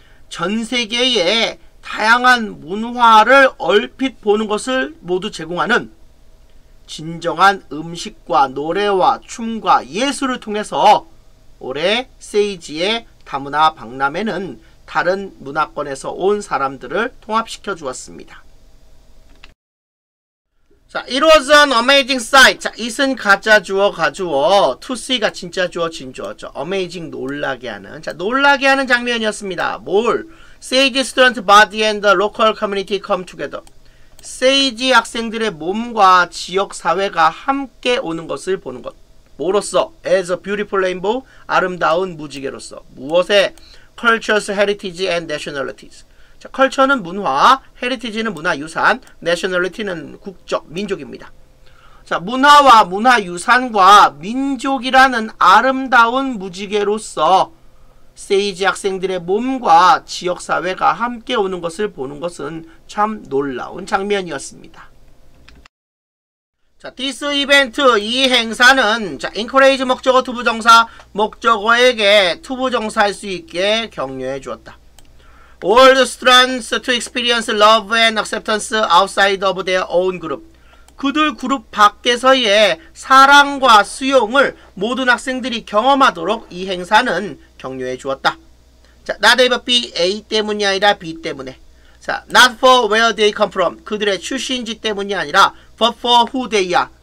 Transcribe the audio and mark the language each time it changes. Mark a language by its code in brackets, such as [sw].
[ko] 전 세계의 다양한 문화를 얼핏 보는 것을 모두 제공하는 진정한 음식과 노래와 춤과 예술을 통해서 올해 세이지의 다문화 박람회는 다른 문화권에서 온 사람들을 통합시켜 주었습니다. 자, [en] it was an amazing sight. [ko] 자, it은 가짜 주어, 가주어. to see가 진짜 주어, 진주어죠. amazing, 놀라게 하는. 자, 놀라게 하는 장면이었습니다. 뭘? [en] Sage student body and the local community come together. [ko] Sage 학생들의 몸과 지역 사회가 함께 오는 것을 보는 것. 뭐로써? [en] as a beautiful rainbow, [ko] 아름다운 무지개로서. 무엇에? [en] cultures, heritage and nationalities. [ko] 자, culture는 문화, heritage는 문화유산, nationality는 국적, 민족입니다. 자, 문화와 문화유산과 민족이라는 아름다운 무지개로서 세이지 학생들의 몸과 지역사회가 함께 오는 것을 보는 것은 참 놀라운 장면이었습니다. 자, [en] this event, [ko] 이 행사는 자, encourage 목적어 to 부정사, 목적어에게 to 부정사할 수 있게 격려해 주었다. [en] All the students to experience love and acceptance outside of their own group. [ko] 그들 그룹 밖에서의 사랑과 수용을 모든 학생들이 경험하도록 이 행사는 격려해 주었다. [en] 자, not ever be A [ko] 때문이 아니라 B 때문에. [en] 자, not for where they come from. [ko] 그들의 출신지 때문이 아니라 [en] but for who they are.